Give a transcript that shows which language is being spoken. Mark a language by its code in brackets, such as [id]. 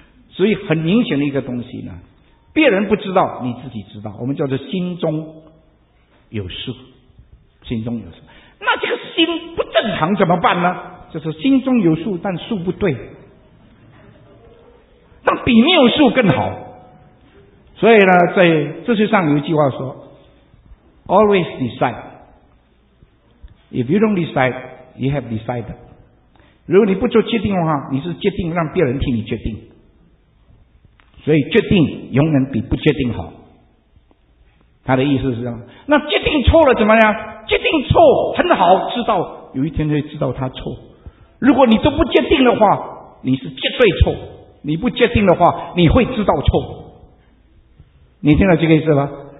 [zh] 所以很明显的一个东西呢，别人不知道，你自己知道。我们叫做心中有数，心中有数。那这个心不正常怎么办呢？就是心中有数，但数不对。比谬术更好。所以呢，在哲学上有一句话说 [en] Always decide. If you don't decide, you have decided. [zh] 如果你不做决定的话，你是决定让别人替你决定。所以决定永远比不决定好。他的意思是这样。那决定错了怎么样？决定错很好，知道有一天会知道他错。如果你都不决定的话，你是绝对错。你不决定的话，你会知道错。你听到这个意思吧？